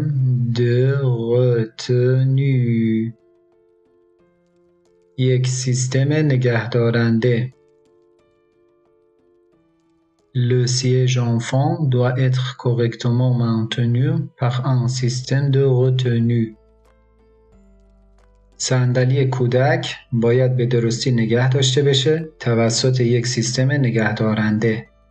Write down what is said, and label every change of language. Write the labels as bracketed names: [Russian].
[French] Un système de retenue [Persian] یک سیستم نگه دارنده. [French] Le siège enfant doit être correctement maintenu par un système de retenue. [Persian] صندلی کودک باید به درستی نگه داشته بشه توسط یک سیستم نگه دارنده.